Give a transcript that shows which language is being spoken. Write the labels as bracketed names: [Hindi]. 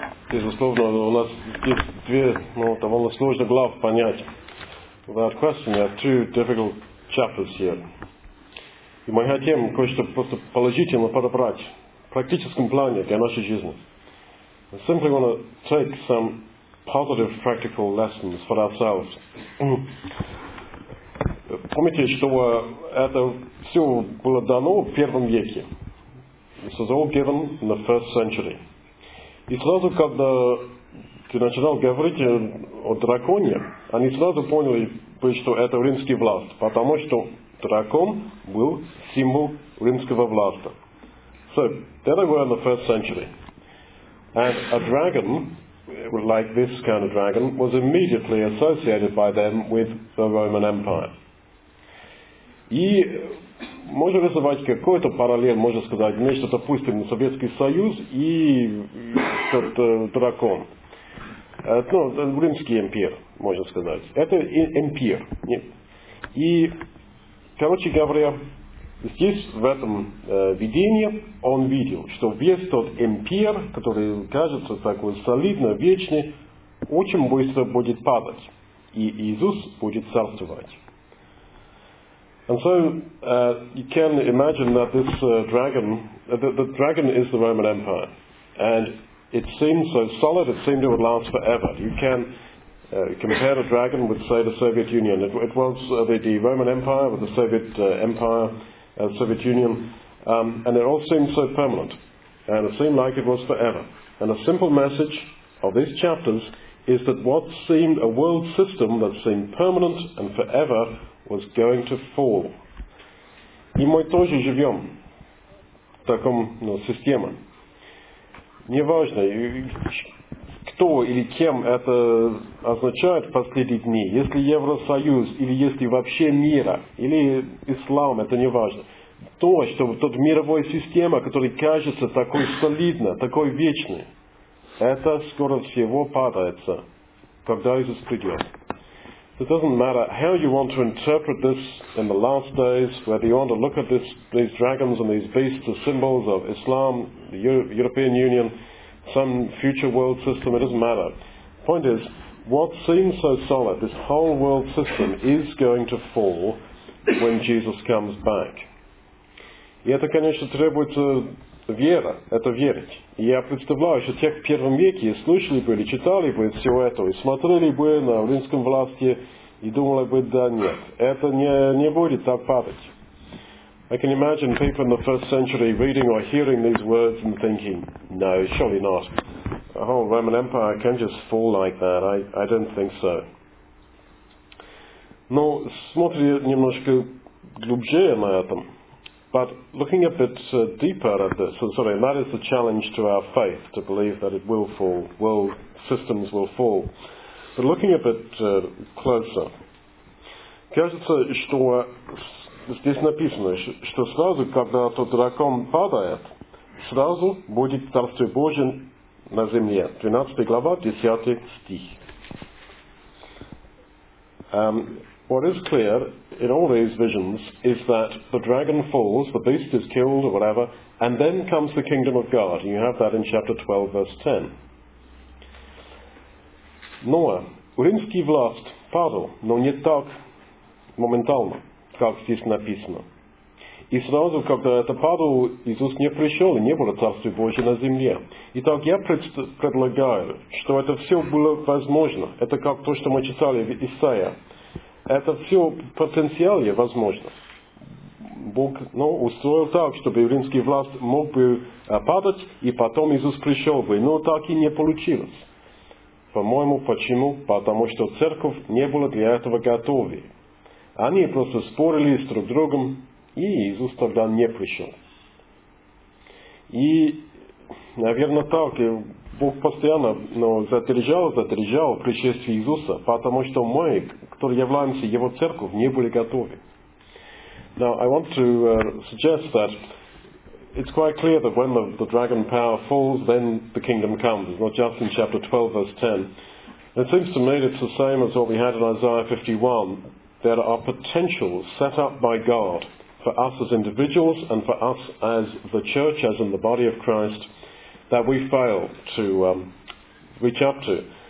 [Russian] безусловно, у нас есть две, ну, довольно сложные главы понять. [English] Without question, there are two difficult chapters here. [Russian] И мы хотим кое-что просто положительно подобрать в практическом плане для нашей жизни. [English] I simply want to take some positive practical lessons for ourselves. [Russian] Помните, что это все было дано в первом веке. [English] This was all given in the first century. [Russian] И сразу, когда ты начинал говорить о драконе, они сразу поняли, что это римский власть, потому что дракон был символ римского власти. [English] So, there they were in the first century. And a dragon, like this kind of dragon, was immediately associated by them with the Roman Empire. [Russian] И можно рисовать какой-то параллель, можно сказать, нечто, допустим, Советский Союз и этот дракон. Ну, Римский импер, можно сказать. Это импер. И, короче говоря, здесь, в этом видении, он видел, что весь тот импер, который кажется такой солидный, вечный, очень быстро будет падать. И Иисус будет царствовать. [English] And so you can imagine that this dragon, the dragon is the Roman Empire, and it seemed so solid, it seemed it would last forever. You can compare a dragon with, say, the Soviet Union. It was the Roman Empire with the Soviet Empire, Soviet Union, and it all seemed so permanent, and it seemed like it was forever. And a simple message of these chapters is that what seemed a world system that seemed permanent and forever was going to fall. [Russian] И мы тоже живем в таком, ну, системе. Неважно, кто или кем это означает в последние дни, если Евросоюз, или если вообще мира, или ислам, это неважно. То, что тот мировой система, который кажется такой солидной, такой вечной, это скоро всего падается, когда Иисус придет. [English] It doesn't matter how you want to interpret this in the last days, whether you want to look at these dragons and these beasts as symbols of Islam, the European Union, some future world system, it doesn't matter. Point is, what seems so solid, this whole world system, is going to fall when Jesus comes back. [Russian] И это, конечно, требуется вера, это верить. Я представляю, что тех в первом веке слышали бы или читали бы все это, и смотрели бы на римском власти и думали бы, да нет, это не будет так падать. [English] I can imagine people in the first century reading or hearing these words and thinking, no, surely not. The whole Roman Empire can just fall like that. I don't think so. [Russian] Но смотри немножко глубже на этом. [English] But looking a bit deeper at this, and sorry, that is the challenge to our faith, to believe that it will fall, world systems will fall. But looking a bit closer, [Russian] кажется, что здесь написано, что сразу, когда тот дракон падает, сразу будет Царствие Божие на земле. 12 глава, 10 стих. [English] What is clear in all these visions is that the dragon falls, the beast is killed or whatever, and then comes the kingdom of God. You have that in chapter 12, verse 10. [Russian] Но римский власть падал, но не так моментально, как здесь написано. И сразу, когда это падал, Иисус не пришел, и не было Царствия Божьего на земле. Итак, я предлагаю, что это все было возможно. Это как то, что мы читали в Исаии. Это все потенциально возможно. Бог, ну, устроил так, чтобы римский власть мог бы падать, и потом Иисус пришел бы. Но так и не получилось. По-моему, почему? Потому что церковь не была для этого готова. Они просто спорили с друг другом, и Иисус тогда не пришел. И, наверное, так и Бог постоянно, ну, задержал пришествие Иисуса, потому что мы, которые являемся Его церковью, не были готовы. [English] Now, I want to suggest that it's quite clear that when the dragon power falls, then the kingdom comes. It's not just in chapter 12, verse 10. It seems to me it's the same as what we had in Isaiah 51. There are potentials set up by God for us as individuals and for us as the church, as in the body of Christ, that we fail to reach up to.